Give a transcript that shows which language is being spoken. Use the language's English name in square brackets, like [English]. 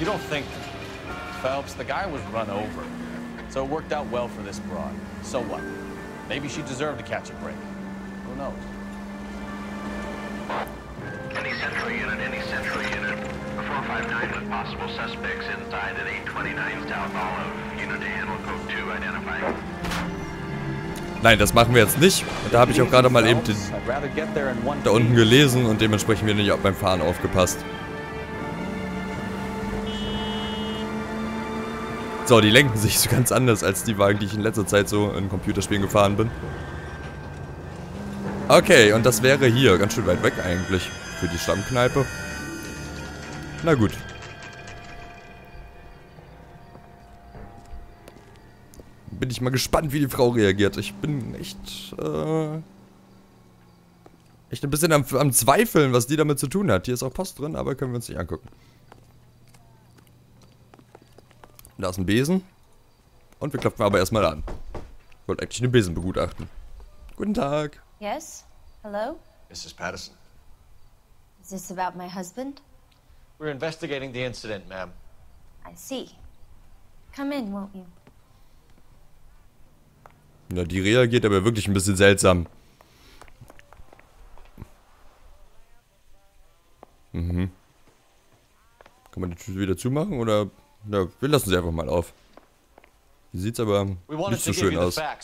[English] You don't think, Phelps, the guy was run over. So it worked out well for this broad. So what? Maybe she deserved to catch a break. Who knows? Any central unit, any central unit. A 459 with possible suspects inside at 829 South Olive. Unit to handle code 2 identifying. [German] Nein, das machen wir jetzt nicht. Da habe ich auch gerade mal eben den da unten gelesen und dementsprechend wir nicht beim Fahren aufgepasst. So, die lenken sich so ganz anders als die Wagen, die ich in letzter Zeit so in Computerspielen gefahren bin. Okay, und das wäre hier ganz schön weit weg eigentlich für die Stammkneipe. Na gut. Bin ich mal gespannt, wie die Frau reagiert. Ich bin echt, echt ein bisschen am Zweifeln, was die damit zu tun hat. Hier ist auch Post drin, aber können wir uns nicht angucken. Da ist ein Besen. Und wir klopfen aber erstmal an. Ich wollte eigentlich den Besen begutachten. Guten Tag. [English] Yes? Hello? Mrs. Patterson. Is this about my husband? We're investigating the incident, ma'am. I see. Come in, won't you? [German] Na, die reagiert aber wirklich ein bisschen seltsam. Mhm. Kann man die Tür wieder zumachen oder? Na, wir lassen sie einfach mal auf. Hier sieht's aber nicht so schön aus.